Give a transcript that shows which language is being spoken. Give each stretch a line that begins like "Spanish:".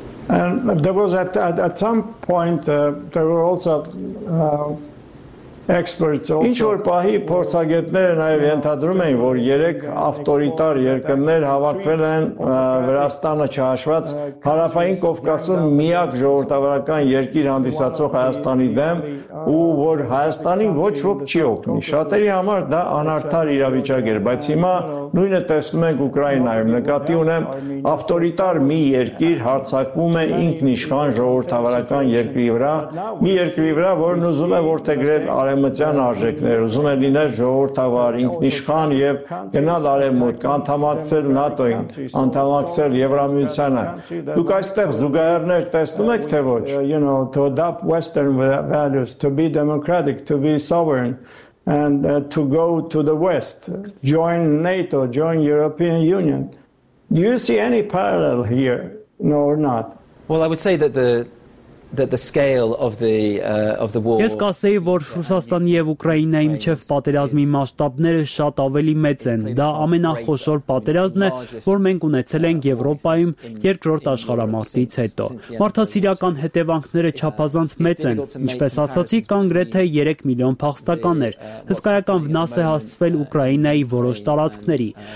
English: And there was at some point there were also experts also.
Armenian: Ինչ որ պահի փորձագետները նաև ենթադրում էին, որ երեք ավտորիտար երկրներ հավաքվել են Վրաստանը չհաշված Հարավային Կովկասում միակ ժողովրդավարական երկիր հանդիսացող Հայաստանի դեմ, ու որ Հայաստանին ոչ ոք չի օգնի։ Շատերի համար դա անարդար իրավիճակ էր, բայց հիմա նույնը տեսնում ենք Ուկրաինայում։ Նկատի ունեմ, ավտորիտար մի երկիր հարձակվում է ինքնիշխան ժողովրդավարական երկրի վրա, մի երկրի վրա, որն ուզում է որտեգրել արևմտյան արժեքներ, ուզում է լինել ժողովրդավար, ինքնիշխան և գնալ արևմուտք, կանդամակցել ՆԱՏՕ-ին, կանդամակցել Եվրամիությանը։ Դուք այստեղ զուգահեռներ տեսնում եք, թե ոչ?
English: You know, to adopt Western values, to be democratic, to be sovereign, and to go to the West, join NATO, join European Union. Do you see any parallel here, no or not? Well, I would say that the scale of the war.
Armenian: Ես կասեի, որ Ռուսաստանի եւ Ուկրաինայի միջև պատերազմի մասշտաբները շատ ավելի մեծ են։ Դա ամենախոշոր պատերազմն է, որ մենք ունեցել ենք Եվրոպայում երկրորդ աշխարհամարտից հետո։ Մարդասիրական հետևանքները չափազանց մեծ են։ Ինչպես ասացի, կան գրեթե 3 միլիոն փախստականներ։ Հսկայական վնաս է հասցվել Ուկրաինայի որոշ տարածքների,